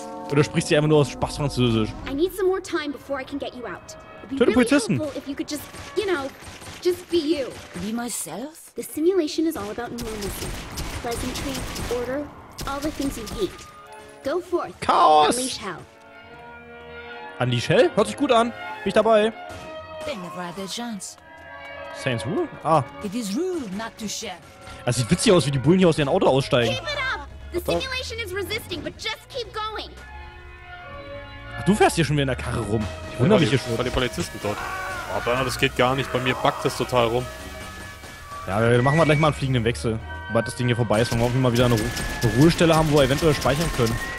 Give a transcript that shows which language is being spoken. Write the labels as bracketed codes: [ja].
[de] Oder sprichst du einfach nur aus Spaß Französisch? [en] I need some more time before I can get you out. [de] Töte Polizisten! [en] If you could just, you know, just be you. Be myself? The simulation is all about normalcy. Pleasantry, order, all the things you hate. Go forth. Chaos! Unleash hell. Unleash hell? [de] Hört sich gut an. Bin ich dabei. [en] They never had their chance. Saints Row? Ah. It is rude not to share. [de] Das sieht witzig aus, wie die Bullen hier aus ihrem Auto aussteigen. [en] Keep it up! The simulation is resisting, but just keep going. [de] Ach, du fährst hier schon wieder in der Karre rum. Ich wundere mich hier schon. Bei den Polizisten dort. Oh, Bernhard, das geht gar nicht. Bei mir backt das total rum. Ja, dann machen wir gleich mal einen fliegenden Wechsel. Sobald das Ding hier vorbei ist, wollen wir auch immer wieder eine Ruhestelle haben, wo wir eventuell speichern können.